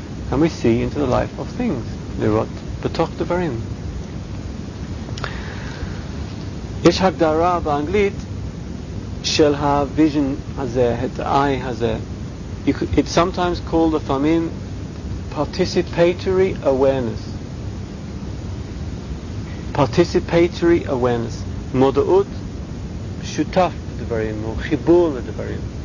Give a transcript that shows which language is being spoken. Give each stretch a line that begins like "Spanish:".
English: And we see into the life of things,
Hebrew: לראות בתוך דברים. יש הגדרה באנגלית של הוויז'ן הזה, את האי הזה.
English: It's sometimes called
Hebrew: לפעמים
English: participatory awareness. Participatory awareness,
Hebrew: מודעות שותף לדברים, או חיבור לדברים.